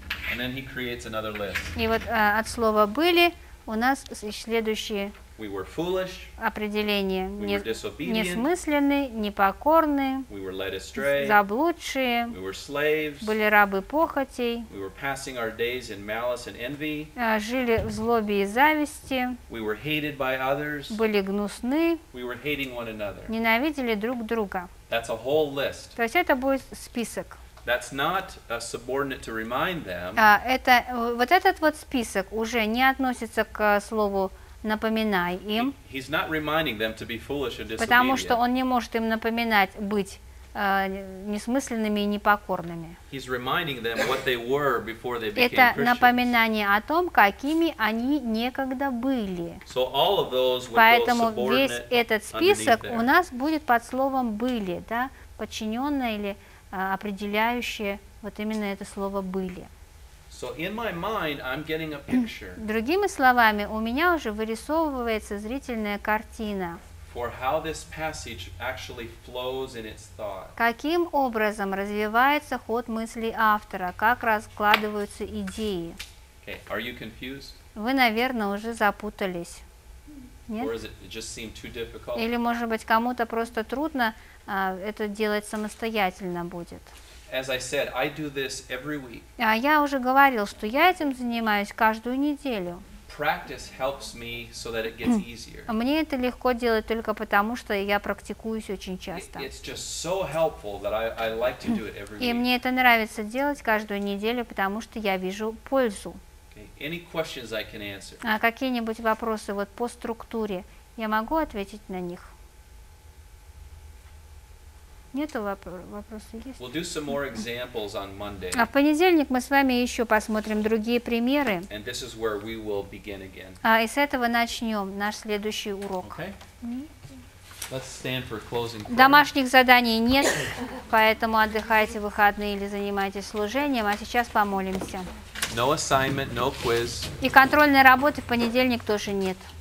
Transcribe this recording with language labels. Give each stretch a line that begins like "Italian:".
English: And then he creates another list.
Russian: И вот от слова «были» у нас следующие
English: We were foolish.
Russian: Определение
English: we were disobedient.
Russian: Несмысленны, непокорны.
English: We were led astray.
Russian: Заблудшие.
English: We were slaves.
Russian: Были рабы похотей.
English: We were passing our days in malice and envy.
Russian: Жили в злобе и зависти.
English: We were hated by others.
Russian: Были гнусны.
English: We were hating one another.
Russian: Ненавидели друг друга.
English: That's a whole list.
Russian: То есть это будет список.
English: That's not a subordinate to remind them.
Russian: Это вот этот вот список уже не относится к слову напоминай им.
English: He's not reminding them to be foolish and disobedient.
Russian: Потому что он не может им напоминать быть несмысленными и непокорными.
English: He's reminding them what they were before they became Christians.
Russian: Это напоминание о том, какими они некогда были.
English: So all of those would
Russian: поэтому
English: go subordinate
Russian: весь этот список у нас будет под словом были, да, подчиненное или определяющие вот именно это слово «были».
English: So in my mind, I'm getting a picture.
Russian: Другими словами, у меня уже вырисовывается зрительная картина.
English: For how this passage actually flows in its thought.
Russian: Каким образом развивается ход мыслей автора, как раскладываются идеи.
English: Okay. Are you confused?
Russian: Вы, наверное, уже запутались. Нет?
English: Or is it just seem too difficult?
Russian: Или, может быть, кому-то просто трудно это делать самостоятельно будет.
English: As I said, I do this every week.
Russian: А я уже говорил, что я этим занимаюсь каждую неделю.
English: Practice helps me so that it gets easier.
Russian: Мне это легко делать только потому, что я практикуюсь очень часто.
English: It's just so helpful that I like to do it every week.
Russian: И мне это нравится делать каждую неделю, потому что я вижу пользу.
English: Any questions I can answer?
Russian: А какие-нибудь вопросы вот по структуре я могу ответить на них? Нету вопросов, есть?
English: We'll do some more examples on Monday.
Russian: А в понедельник мы с вами еще посмотрим другие примеры.
English: And this is where we will begin again.
Russian: И с этого начнем наш следующий урок.
English: Okay. Let's stand for closing prayer.
Russian: Домашних заданий нет, поэтому отдыхайте в выходные или занимайтесь служением, а сейчас помолимся.
English: No assignment, no quiz.
Russian: И контрольной работы в понедельник тоже нет.